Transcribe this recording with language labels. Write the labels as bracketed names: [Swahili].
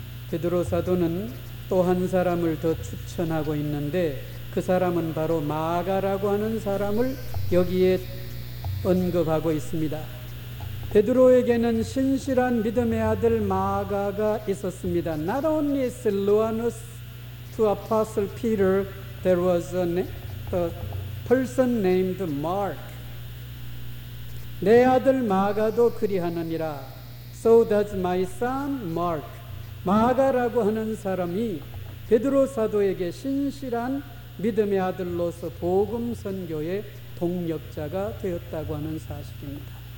[Korean] 베드로 사도는 또 한 사람을 더 추천하고 있는데 그 사람은 바로 마가라고 하는 사람을 여기에 언급하고 있습니다. 베드로에게는 신실한 믿음의 아들 마가가 있었습니다. [English] Not only Silvanus to Apostle Peter, there was a person named Mark. [Korean] 내 아들 마가도 그리하느니라. [English] So does my son Mark. [Korean] 마가라고 하는 사람이 베드로 사도에게 신실한 믿음의 아들로서 복음 선교의 동역자가 되었다고 하는 사실입니다.